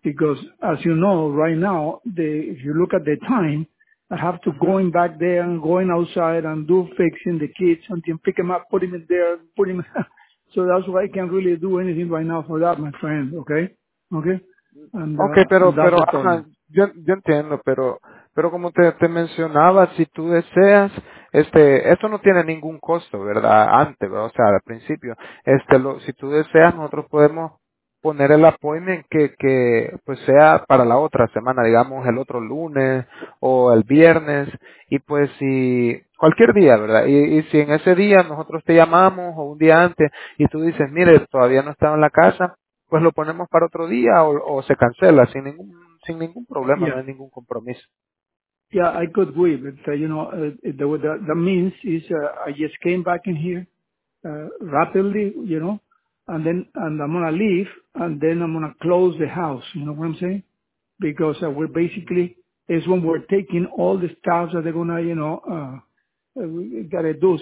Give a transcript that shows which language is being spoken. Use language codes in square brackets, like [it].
[en] Because as you know, right now, if you look at the time, I have to going back there and going outside and do fixing the kids and then pick them up, put them in there, so that's why I can't really do anything right now for that, my friend, okay? Okay? [es] Yo entiendo, pero como te mencionaba, si tú deseas, esto no tiene ningún costo, ¿verdad? Antes, ¿verdad? O sea, al principio, si tú deseas, nosotros podemos poner el appointment que pues sea para la otra semana, digamos el otro lunes o el viernes, y pues si cualquier día, ¿verdad? Y si en ese día nosotros te llamamos o un día antes y tú dices, mire, todavía no estaba en la casa, pues lo ponemos para otro día o se cancela sin ningún problema, yeah. No hay ningún compromiso. [en] Yeah, I could agree, but that means is I just came back in here rapidly, you know. And I'm gonna leave, and then I'm gonna close the house. You know what I'm saying? Because we're basically is when we're taking all the stuff that they're gonna, you know, gotta do.